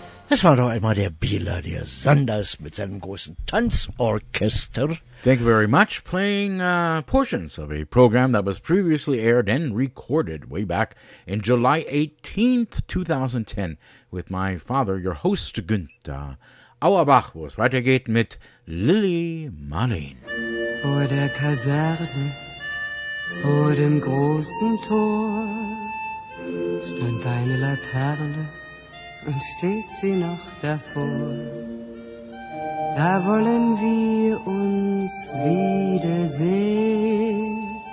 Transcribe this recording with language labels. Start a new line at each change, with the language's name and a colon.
German: Das war doch einmal der Bieler, der Sanders mit seinem großen Tanzorchester.
English: Thank you very much. Playing portions of a program that was previously aired and recorded way back in July 18th, 2010 with my father, your host, Günther Auerbach,
German: wo es weitergeht mit Lilli Marleen. Vor der Kaserne, vor dem großen Tor, stand eine Laterne und steht sie noch davor. Da wollen wir uns wiedersehen.